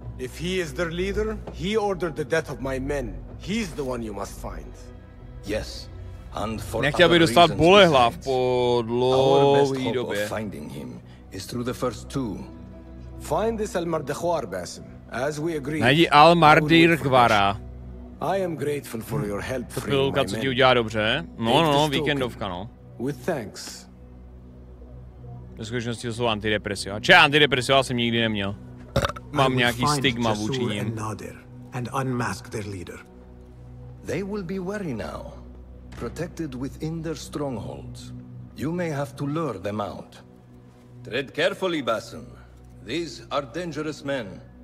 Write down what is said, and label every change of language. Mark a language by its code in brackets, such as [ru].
[en] If he is their leader, he ordered the death of my men. He's the one you must find. Yes, and for other reasons besides. Our best hope of finding him is through the first two. Find this Al-Mardikhwar, Basim. As we agreed, [cs] najdi Al-Mardikhwara. [en] I am grateful for your help. [cs] Chvilka, co ti udělá dobře. No, víkendovka, no. [en] With thanks. [cs] Ve skutečnosti to jsou antidepresiva. Če, antidepresiva jsem nikdy neměl. Mám nějaký stigma vůči ním. [en] And unmask their leader. They will be wary now. Protected within their strongholds. You may have to lure them out. Tread carefully, Basim. These are dangerous men.